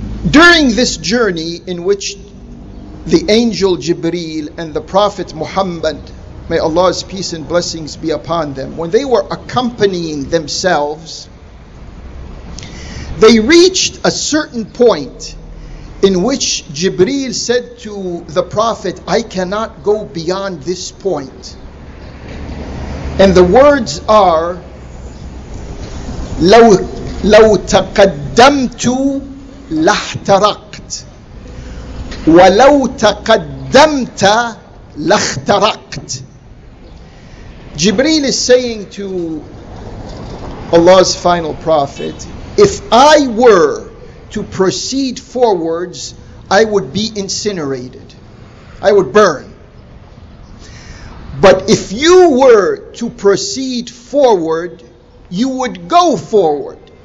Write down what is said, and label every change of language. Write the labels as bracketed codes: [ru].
[en] During this journey in which the angel Jibreel and the Prophet Muhammad, may Allah's peace and blessings be upon them, when they were accompanying themselves, they reached a certain point in which Jibreel said to the Prophet, I cannot go beyond this point. And the words are, [ar] لو تقدمت لاحترقت ولو تقدمت لاحترقت. [en] Jibreel is saying to Allah's final prophet, if I were to proceed forwards, I would be incinerated, I would burn. But if you were to proceed forward, you would go forward.